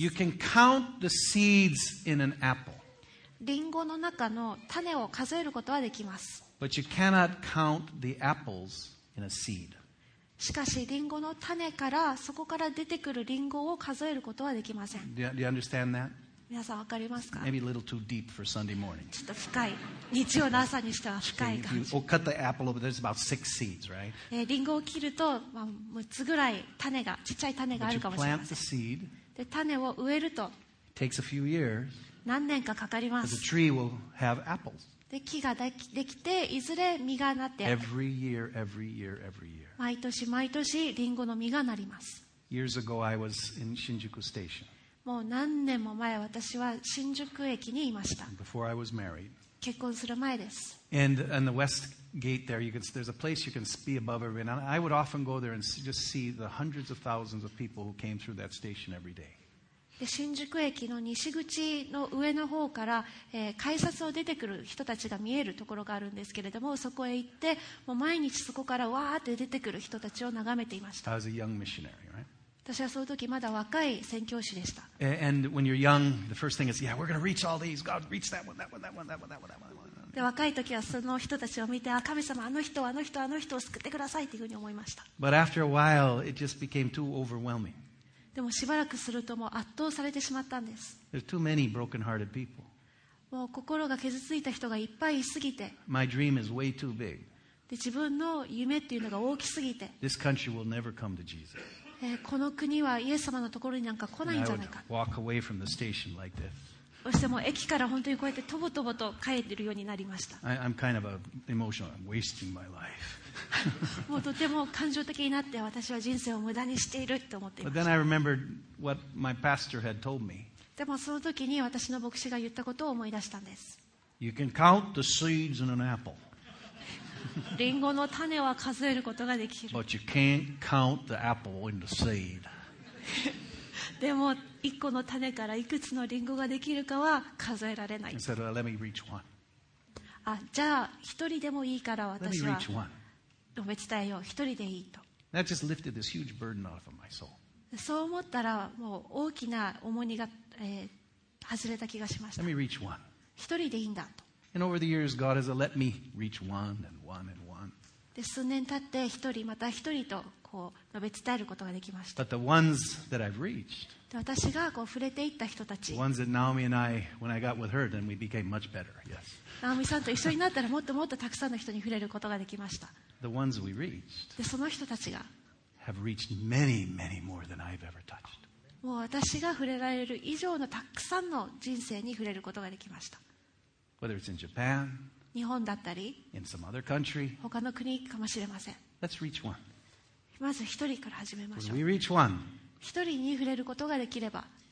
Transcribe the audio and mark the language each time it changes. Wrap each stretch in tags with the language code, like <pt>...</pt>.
<en>You can count the seeds in an apple.</en> <ja>リンゴの中の種を数えることはできます。</ja> <en>But you cannot count the apples in a seed.</en> <ja>しかしリンゴの種からそこから出てくるリンゴを数えることはできません。</ja> <en>Do you understand that?</en> <ja>皆さんわかりますか?</ja> <en>Maybe a little too deep for Sunday morning.</en> <ja>ちょっと深い。日曜の朝にしては深い感じ。</ja> <en>If you cut the apple over, there's about six seeds, right?</en> <ja>リンゴを切ると、まあ、6つぐらい種が、ちっちゃい種があるかもしれません。</ja> <en>But you plant the seed.</en> <ja>で、種を植えると。</ja> <en>It takes a few years.</en> <ja>何年かかかります。</ja> <en>But the tree will have apples.</en> <ja>で木ができて、いずれ実がなって、</ja> <en>every year, every year, every year.</en> <ja>毎年毎年リンゴの実がなります。</ja> <en>Years ago, I was in Shinjuku Station.</en> <ja>もう何年も前、私は新宿駅にいました。</ja> <en>Before I was married.</en> <ja>結婚する前です。</ja> <en>And on the West Gate there, there's a place you can see above everyone. And I would often go there and just see the hundreds of thousands of people who came through that station every day.</en> <ja>で新宿駅の西口の上の方から、改札を出てくる人たちが見えるところがあるんですけれどもそこへ行ってもう毎日そこからわーって出てくる人たちを眺めていました。</ja> <en>I was a young missionary, right?</en> <ja>私はその時まだ若い宣教師でした。</ja> <en>And when you're young, the first thing is, yeah, we're going to reach all these. God, reach that one, that one, that one, that one, that one, that one.</en> <ja>で若い時はその人たちを見てあ神様あの人あの人あの人を救ってくださいというふうに思いました。</ja> <en>But after a while, it just became too overwhelming.</en> <ja>でもしばらくするともう圧倒されてしまったんです。</ja> <en>There are too many broken-hearted people.</en> <ja>もう心が傷ついた人がいっぱいいすぎて。</ja> <en>My dream is way too big.</en> <ja>で自分の夢っていうのが大きすぎて。</ja> <en>This country will never come to Jesus.</en> <ja>この国はイエス様のところになんか来ないんじゃないか。</ja> <en>And I would walk away from the station like this.</en> <ja>そしてもう駅から本当にこうやってとぼとぼと帰ってるようになりました。</ja> <en>I'm kind of emotional. I'm wasting my life.</en> <ja>もうとても感情的になって私は人生を無駄にしていると思っています。</ja> <en>But then I remembered what my pastor had told me.</en> <ja>でもその時に私の牧師が言ったことを思い出したんです。</ja> <en>You can count the seeds in an apple.</en> <ja>リンゴの種は数えることができる。</ja> <en>But you can't count the apple in the seed.</en> <ja>でも一個の種からいくつのリンゴができるかは数えられない。</ja> <en>He said, well, let me reach one.</en> <ja>あ、じゃあ一人でもいいから私は。</ja> <en>Let me reach one.</en> <ja>述べ伝えよう一人でいいと</ja> <en>That just lifted this huge burden off of my soul.</en> <ja>そう思ったらもう大きな重荷が、外れた気がしました</ja> <en>Let me reach one.</en> <ja>一人でいいんだと</ja> <en>And over the years, God has let me reach one and one and one.</en> <ja>で数年経って一人また一人とこう述べ伝えることができました</ja> <en>But the ones that I've reached,</en> <ja>で私がこう触れていった人たち</ja> <en>The ones that Naomi and I, when I got with her, then we became much better, yes.</en> <ja>ナオミさんと一緒になったらもっともっとたくさんの人に触れることができました</ja> <en>The ones we reached</en> <ja>でその人たちが</ja> <en>have reached many, many more than I've ever touched.</en> <ja>もう私が触れられる以上のたくさんの人生に触れることができました</ja> <en>Whether it's in Japan,</en> <ja>日本だったり</ja> <en>in some other country,</en> <ja>他の国かもしれません</ja> <en>Let's reach one.</en> <ja>まず一人から始めましょう</ja> <en>When we reach one,</en> <ja>一人に触れることができれば</ja>